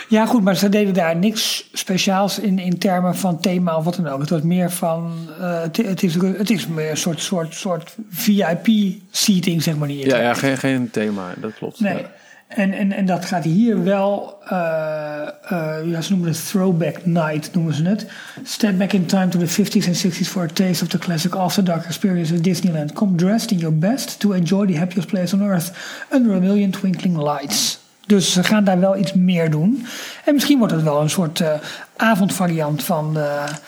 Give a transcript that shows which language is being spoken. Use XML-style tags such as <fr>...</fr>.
<nl>Ja, goed, maar ze deden daar niks speciaals in termen van thema of wat dan ook. Het was meer van, het is meer een soort VIP-seating, zeg maar. Ja, geen thema, dat klopt. Nee. Ja. En dat gaat hier wel, ze noemen het Throwback Night, noemen ze het.</nl> <en>Step back in time to the 50s and 60s for a taste of the classic After Dark experience at Disneyland. Come dressed in your best to enjoy the happiest place on earth under a million twinkling lights.</en> <nl>Dus ze gaan daar wel iets meer doen. En misschien wordt het wel een soort avondvariant van de...</nl>